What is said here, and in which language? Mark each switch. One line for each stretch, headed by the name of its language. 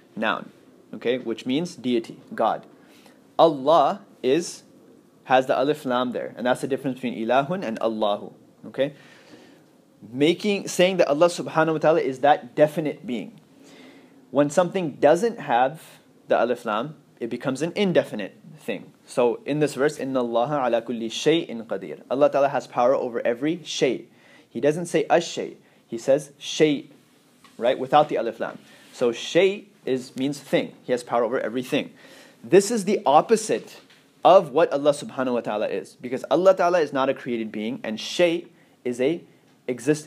English: noun, okay, which means deity, God. Allah is, has the alif lam there, and that's the difference between ilahun and Allahu, okay? Making, saying that Allah subhanahu wa ta'ala is that definite being. When something doesn't have the alif lam, it becomes an indefinite thing. So in this verse,
Arabic: إِنَّ اللَّهَ عَلَى كُلِّ شَيْءٍ قَدِيرٍ.
English: Allah ta'ala has power over every shay. He doesn't say ash-shay, he says shay, right? Without the alif lam. So shay is means thing. He has power over everything. This is the opposite of what Allah subhanahu wa ta'ala is. Because Allah ta'ala is not a created being, and shay is a exist.